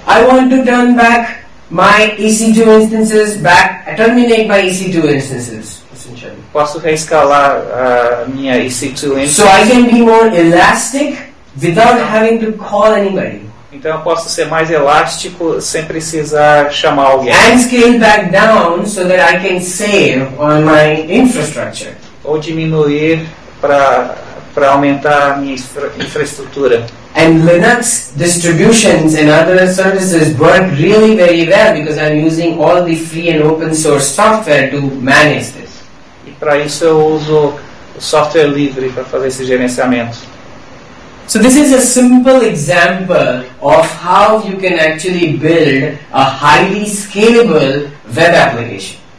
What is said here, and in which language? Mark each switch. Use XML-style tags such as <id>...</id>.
<en>I want to turn back my EC2 instances back, terminate my EC2 instances.</en> <pt>Posso reescalar a minha EC2 instance.</pt> <en>So I can be more elastic without having to call anybody.</en> <pt>Então eu posso ser mais elástico sem precisar chamar alguém.</pt> <en>And scale back down so that I can save on my infrastructure.</en> <pt>Ou diminuir para aumentar a minha infraestrutura.</pt> <en>And Linux distributions and other services work really very well because I'm using all the free and open source software to manage this.</en> <pt>E para isso eu uso software livre para fazer esse gerenciamento.</pt> <en>So this is a simple example of how you can actually build a highly scalable web application.</en>